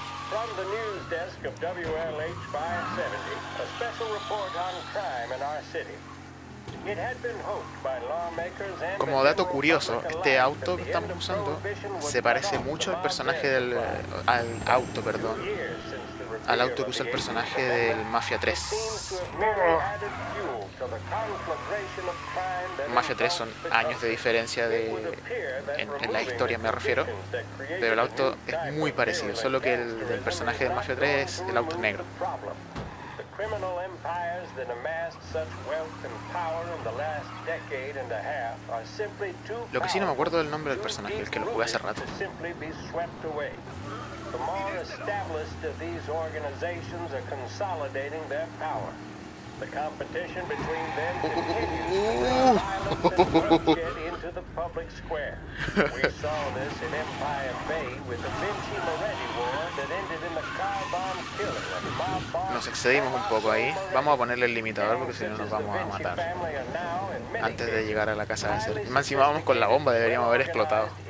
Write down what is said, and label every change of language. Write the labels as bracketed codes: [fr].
[en] From the news desk of WLH 570, a special report on crime in our city. It had been hoped by lawmakers and... [es] Como dato curioso, este auto que estamos usando se parece mucho al personaje del... al auto que usa el personaje del Mafia 3. Mafia 3 son años de diferencia de en la historia, me refiero. Pero el auto es muy parecido, solo que el del personaje de Mafia 3 es el auto negro. [en] Criminal empires that amassed such wealth and power in the last decade and a half are simply too... [es] Lo que sí no me acuerdo del nombre del personaje, el que lo jugué hace rato. [en] The more established of these organizations are consolidating their power. The competition between them continues into the public square. We saw this in Empire Bay with the Vinci Moretti war that ended in the car bomb killing of Bob Barr. [es] Nos excedimos un poco ahí. Vamos a ponerle el limitador porque si no nos vamos a matar antes de llegar a la casa de ser. Más si vamos con la bomba, deberíamos haber explotado.